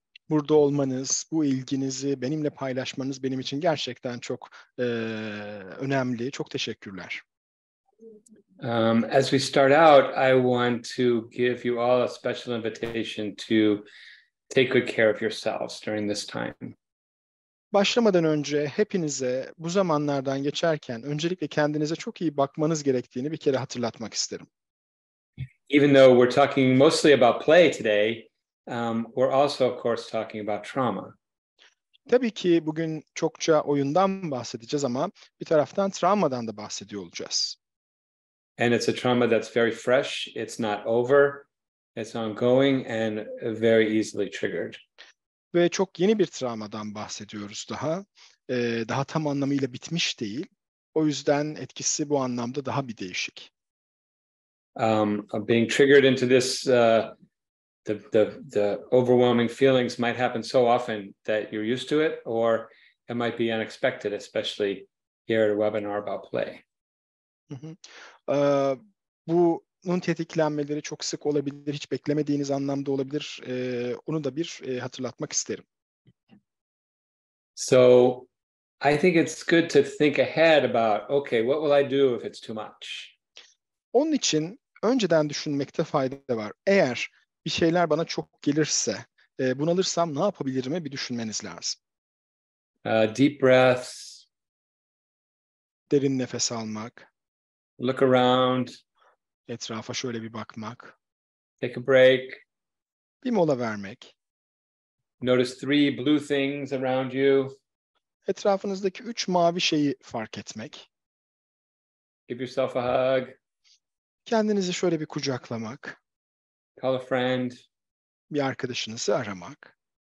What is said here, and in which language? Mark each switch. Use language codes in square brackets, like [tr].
[tr] Burada olmanız, bu ilginizi benimle paylaşmanız benim için gerçekten çok önemli. Çok teşekkürler. [en] As we start out, I want to give you all a special invitation to take good care of yourselves during this time. [tr] Başlamadan önce hepinize bu zamanlardan geçerken öncelikle kendinize çok iyi bakmanız gerektiğini bir kere hatırlatmak isterim. [en] Even though we're talking mostly about play today, we're also of course talking about trauma. [tr] Tabii ki bugün çokça oyundan bahsedeceğiz ama bir taraftan travmadan da bahsediyor olacağız. [en] And it's a trauma that's very fresh, it's not over. It's ongoing and very easily triggered. [tr] Ve çok yeni bir travmadan bahsediyoruz daha. Daha tam anlamıyla bitmiş değil. O yüzden etkisi bu anlamda daha bir değişik. [en] Being triggered into this the overwhelming feelings might happen so often that you're used to it, or it might be unexpected, especially here at a webinar about play. [tr] Bunun tetiklenmeleri çok sık olabilir, hiç beklemediğiniz anlamda olabilir. Onu da bir hatırlatmak isterim. [en] So, I think it's good to think ahead about, okay, what will I do if it's too much? [tr] Onun için önceden düşünmekte fayda var. Eğer bir şeyler bana çok gelirse, bunalırsam ne yapabilirim'i bir düşünmeniz lazım. [en] Deep breaths. [tr] Derin nefes almak. [en] Look around. [tr] Etrafa şöyle bir bakmak. [en] Take a break. [tr] Bir mola vermek. [en] Notice three blue things around you. [tr] Etrafınızdaki üç mavi şeyi fark etmek. [en] Give yourself a hug. [tr] Kendinizi şöyle bir kucaklamak. [en] Call a friend. [tr] Bir arkadaşınızı aramak.